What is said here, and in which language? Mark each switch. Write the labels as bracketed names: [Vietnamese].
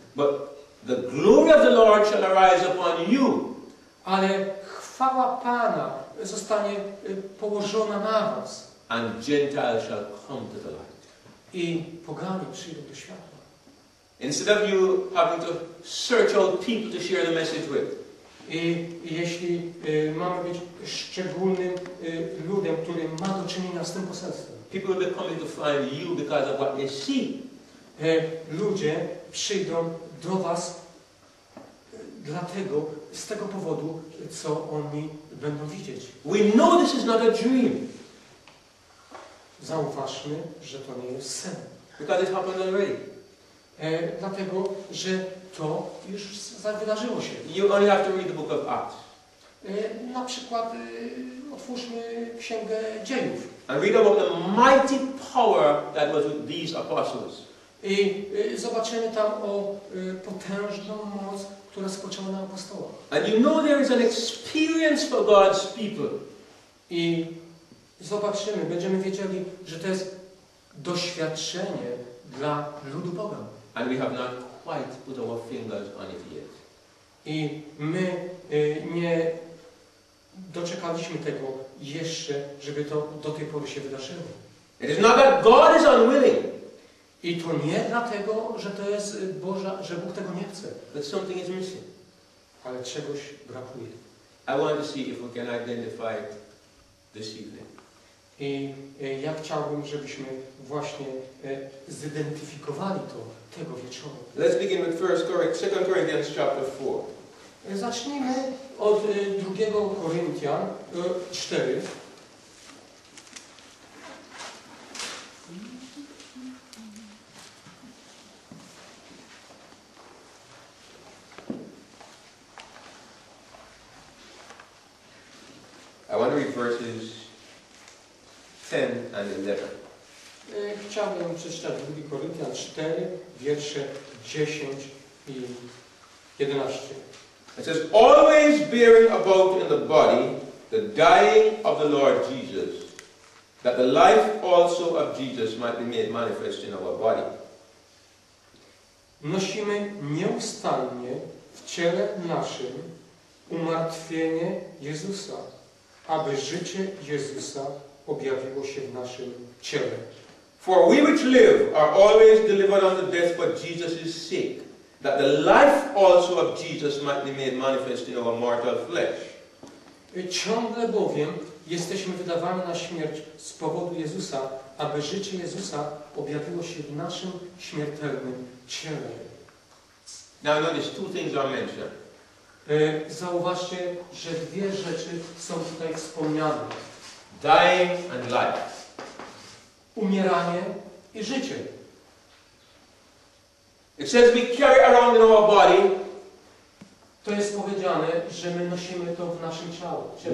[English] But the glory of the Lord shall arise upon you. [Polish] Ale chwała Pana zostanie położona na was. [English] And Gentiles shall come to the light. [Polish] I poganie przyjdą do światła. [English] Instead of you having to search out people to share the message with. [Polish] I jeśli mamy być szczególnym ludem, który ma do czynienia z tym poselstwem. [English] People will be coming to find you because of what they see. [Polish] Ludzie przyjdą do was dlatego, z tego powodu, co oni będą widzieć. [English] We know this is not a dream. [Polish] Zauważmy, że to nie jest sen. [English] Because it happened already. [Polish] Dlatego, że to już wydarzyło się. [English] You only have to read the book of Acts. [Polish] Na przykład otwórzmy Księgę Dziejów. [English] And read about the mighty power that was with these apostles. [Polish] I zobaczymy tam o potężną moc, która spoczęła na apostołach. [English] And you know there is an experience for God's people. [Polish] I zobaczymy, będziemy wiedzieli, że to jest doświadczenie dla ludu Boga. [English] And we have not quite put our fingers on it yet. [Polish] I my nie doczekaliśmy tego jeszcze, żeby to do tej pory się wydarzyło. [English] It is not that God is unwilling. [Polish] I to nie dlatego, że to jest Boża, że Bóg tego nie chce. [English] But something is missing. [Polish] Ale czegoś brakuje. [English] I want to see if we can identify it this evening. [Polish] I ja chciałbym, żebyśmy właśnie zidentyfikowali to tego wieczoru. [English] Let's begin with 2 Corinthians chapter 4. [Polish] Zacznijmy od 2 Koryntian 4. [English] I want to read verses 10 and 11. [Polish] Chciałbym przeczytać 2 Koryntian 4, wiersze 10 i 11. [English] It says, always bearing about in the body the dying of the Lord Jesus, that the life also of Jesus might be made manifest in our body. [Polish] Nosimy nieustannie w ciele naszym umartwienie Jezusa, aby życie Jezusa objawiło się w naszym ciele. [English] For we which live are always delivered unto death for Jesus' sake, that the life also of Jesus might be made manifest in our mortal flesh. [Polish] Ciągle bowiem jesteśmy wydawani na śmierć z powodu Jezusa, aby życie Jezusa objawiło się w naszym śmiertelnym ciele. [English] Now notice two things are mentioned. [Polish] Zauważcie, że dwie rzeczy są tutaj wspomniane. [English] Dying and life. [Polish] Umieranie i życie. [English] It says we carry around in our body. [Polish] To jest powiedziane, że my nosimy to w naszym ciele.